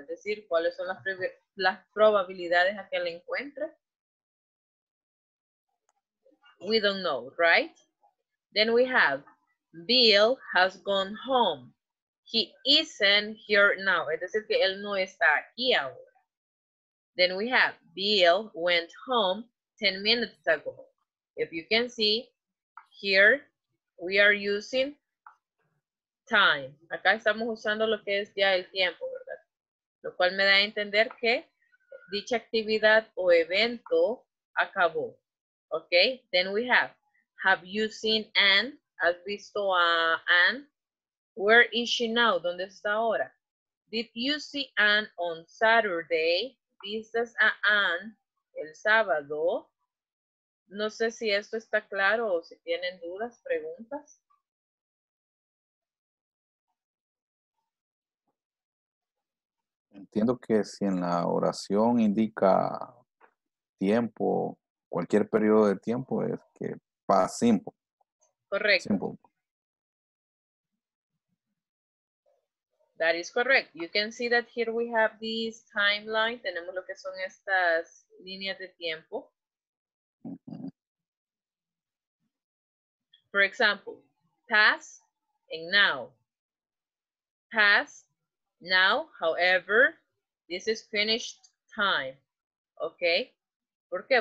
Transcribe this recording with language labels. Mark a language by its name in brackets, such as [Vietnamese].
[Spanish] Es decir, ¿cuáles son las probabilidades a que la encuentre? [English] We don't know, right? Then we have Bill has gone home. He isn't here now. [Spanish] Es decir, que él no está aquí ahora. [English] Then we have Bill went home 10 minutes ago. If you can see, here we are using time. [Spanish] Acá estamos usando lo que es ya el tiempo, ¿verdad? Lo cual me da a entender que dicha actividad o evento acabó. [English] Okay, then we have you seen Anne? [Spanish] ¿Has visto a Anne? [English] Where is she now? [Spanish] ¿Dónde está ahora? [English] Did you see Anne on Saturday? [Spanish] ¿Viste a Anne el sábado? No sé si esto está claro o si tienen dudas, preguntas. Entiendo que si en la oración indica tiempo, cualquier periodo de tiempo, es que pasa simple. Correcto. Simple. [English] That is correct. You can see that here we have this timeline. [Spanish] Tenemos lo que son estas líneas de tiempo. [English] For example, past and now. Past, now, however, this is finished time. Okay? [Spanish] ¿Por qué?